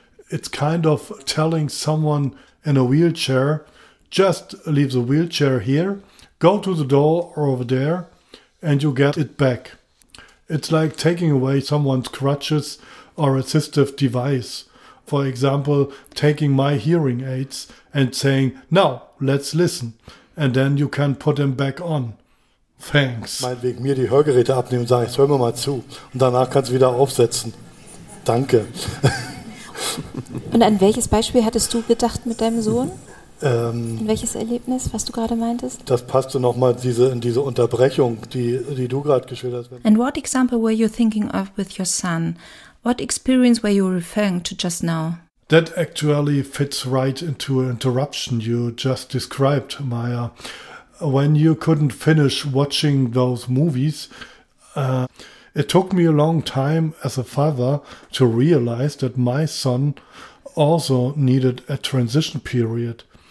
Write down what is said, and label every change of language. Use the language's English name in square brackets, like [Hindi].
[English] It's kind of telling someone in a wheelchair, just leave the wheelchair here, go to the door or over there, and you get it back. It's like taking away someone's crutches or assistive device. For example, taking my hearing aids and saying, now, let's listen. And then you can put them back on. Thanks. [German] Meinetwegen mir die Hörgeräte abnehmen und sage, jetzt hör mir mal zu. Und danach kannst du wieder aufsetzen. Danke. Und an welches Beispiel hattest du gedacht mit deinem Sohn? An welches Erlebnis, was du gerade meintest? Das passte nochmal in diese Unterbrechung, die du gerade geschildert hast. [English] And what example were you thinking of with your son? What experience were you referring to just now? That actually fits right into an interruption you just described, Maya. When you couldn't finish watching those movies, it took me a long time as a father to realize that my son also needed a transition period.